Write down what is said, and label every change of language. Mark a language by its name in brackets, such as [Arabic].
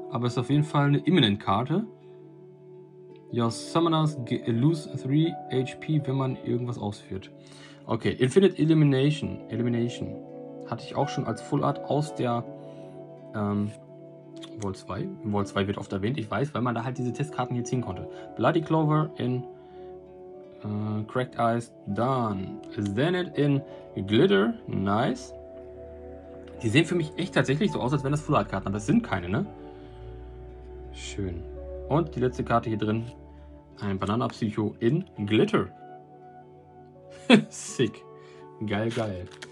[German] aber es ist auf jeden Fall eine Imminent-Karte. [English] Your Summoners lose 3 HP, [German] wenn man irgendwas ausführt. Okay, Infinite Elimination. Elimination. Hatte ich auch schon als Full Art aus der Vol 2. Vol 2 wird oft erwähnt, ich weiß, weil man da halt diese Testkarten hier ziehen konnte. Bloody Clover in Cracked Eyes, done. Zenith in Glitter, nice. Die sehen für mich echt tatsächlich so aus, als wären das Full Art Karten, aber es sind keine, ne? Schön. Und die letzte Karte hier drin, ein Bananapsycho in Glitter. Sick. Geil, geil.